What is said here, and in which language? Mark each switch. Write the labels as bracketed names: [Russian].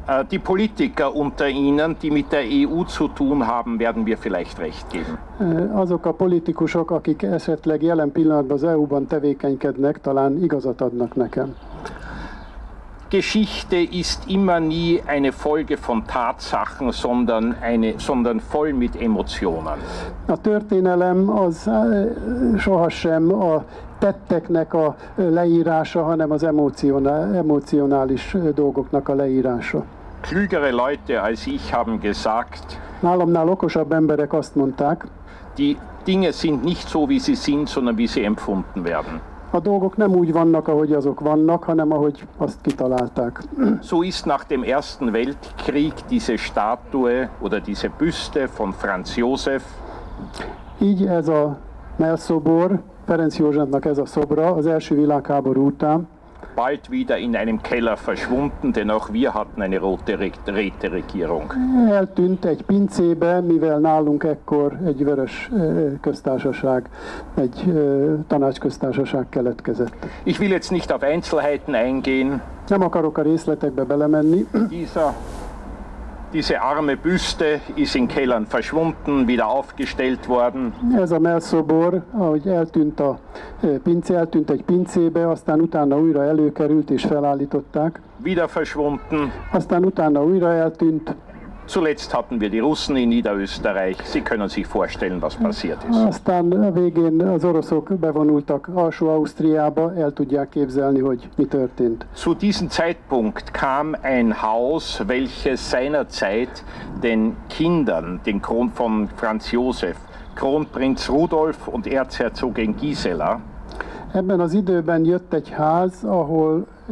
[German] Die Politiker unter Ihnen, die mit der EU zu tun haben, werden wir vielleicht recht geben. [Hungarian] Azok a politikusok, akik esetleg jelen pillanatban az EU-ban tevékenykednek, talán igazat adnak nekem. [German] Geschichte ist immer nie eine Folge von Tatsachen, sondern voll mit Emotionen. [Hungarian] A történelem az sohasem a tetteknek a leírása, hanem az emocionális dolgoknak a leírása. [German] Klügere Leute als ich haben gesagt, [Hungarian] nálamnál okosabb emberek azt mondták, [German] die Dinge sind nicht so, wie sie sind, sondern wie sie empfunden werden. [Hungarian] A dolgok nem úgy vannak, ahogy azok vannak, hanem ahogy azt kitalálták. [German] So ist nach dem Ersten Weltkrieg diese Statue oder diese Büste von Franz Josef. [Hungarian] Így ez a mellszobor, Ferenc Józsefnek ez a szobra az első világháború után. [German] Bald wieder in einem Keller verschwunden, denn auch wir hatten eine rote Räteregierung. [Hungarian] Eltűnt egy pincébe, mivel nálunk ekkor egy vörös köztársaság, egy tanácsköztársaság keletkezett. [German] Ich will jetzt nicht auf Einzelheiten eingehen. [Hungarian] Nem akarok a részletekbe belemenni. [German] Diese arme Büste ist in Kellern verschwunden, wieder aufgestellt worden. [Hungarian] Ez a mellszobor, ahogy eltűnt a pince, eltűnt egy pincébe, aztán utána újra előkerült és felállították. [German] Wieder verschwunden. [Hungarian] Aztán utána újra eltűnt. [German] Zuletzt hatten wir die Russen in Niederösterreich. Sie können sich vorstellen, was passiert ist. [Hungarian] Aztán végén az oroszok bevonultak Alsó-Ausztriába, el tudják képzelni, hogy mi történt. [German] Zu diesem Zeitpunkt kam ein Haus, welches seinerzeit den Kindern, den Kron von Franz Josef, Kronprinz Rudolf und Erzherzogin Gisela. [Hungarian] Ebben az időben jött egy ház, ahol